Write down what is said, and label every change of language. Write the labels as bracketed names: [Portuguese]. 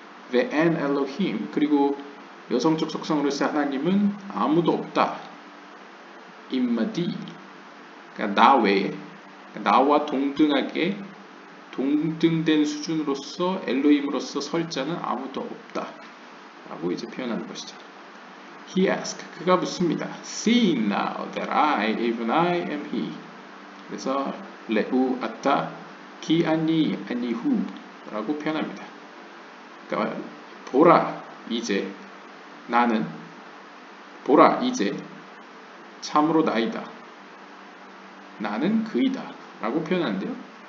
[English] The An Elohim, [Korean] 그리고 여성적 속성으로서의 하나님은 아무도 없다. Immadi, 그러니까 나 외에, 나와 동등하게 동등된 수준으로서 엘로힘으로서 설 자는 아무도 없다 라고 이제 표현하는 것이죠. [English] He asked, [Korean] 그가 묻습니다. [English] Seeing now that I, even I am he. [Korean] 그래서 [Hebrew] 레우 아타 기 아니 아니 후 [Korean] 라고 표현합니다. 그러니까 보라 이제 나는, 보라 이제 참으로 나이다, 나는 그이다 라고 표현하는데요.